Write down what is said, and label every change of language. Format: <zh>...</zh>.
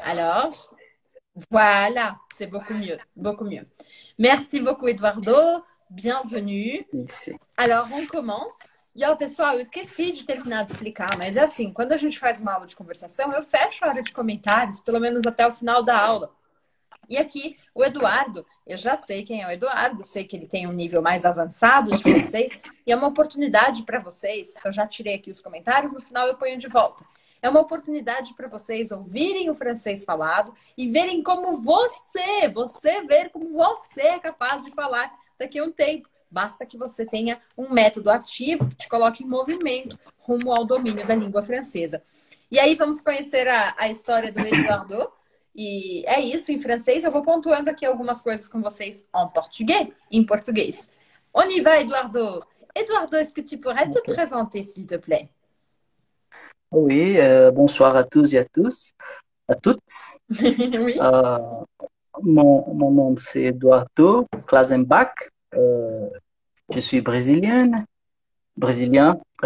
<fr>Alors, voilà, c'est beaucoup mieux, beaucoup mieux. Merci beaucoup, Eduardo. Bienvenue. Ici. Alors, on commence.</fr> <pt>E ó, pessoal, eu esqueci de terminar de explicar, mas é assim, quando a gente faz uma aula de conversação, eu fecho a área de comentários, pelo menos até o final da aula. E aqui, o Eduardo, eu já sei quem é o Eduardo, sei que ele tem um nível mais avançado de vocês, e é uma oportunidade para vocês, eu já tirei aqui os comentários, no final eu ponho de volta. É uma oportunidade para vocês ouvirem o francês falado e verem como você ver como você é capaz de falar daqui a um tempo. Basta que você tenha um método ativo que te coloque em movimento rumo ao domínio da língua francesa. E aí vamos conhecer a história do Eduardo. E é isso, em francês eu vou pontuando aqui algumas coisas com vocês en português, em português.</pt> <fr>On y va, Eduardo. Eduardo, est-ce que tu pourrais te Okay. présenter, s'il te plaît? Oui, bonsoir à tous et à tous, à toutes. Oui. Mon nom, c'est Eduardo Klazenbach. Je suis brésilienne, brésilien.</fr>